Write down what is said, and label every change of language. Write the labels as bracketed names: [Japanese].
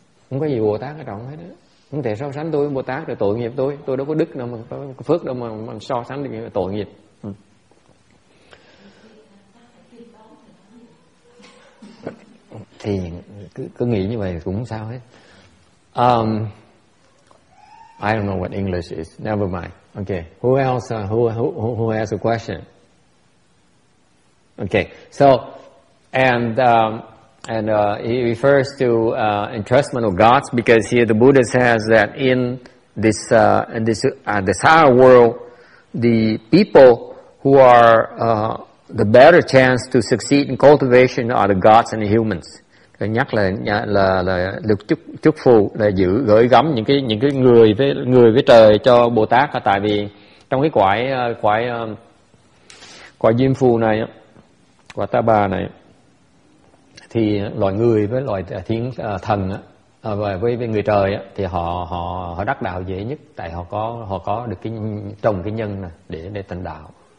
[Vietnamese] Không có gì Bồ Tát ở trọng hết đó. Không thể so sánh tôi với Bồ Tát, rồi tội nghiệp tôi đâu có đức đâu mà có phước đâu mà so sánh được tội nghiệp. Thì cứ nghĩ như vậy cũng sao hết. [English] I don't know what English is, never mind. Okay, who has a question? Okay, so he refers to entrustment of gods, because here the Buddha says that in this the Sahara world, the people who are the better chance to succeed in cultivation are the gods and the humans. [Vietnamese] Nhắc là được chúc phù là giữ gửi gắm những cái người với trời cho Bồ Tát, tại vì trong cái quả diêm phù này, quả ta bà này, thì loài người với loài thiên thần và với người trời thì họ đắc đạo dễ nhất, tại họ có được cái trồng cái nhân này để thành đạo.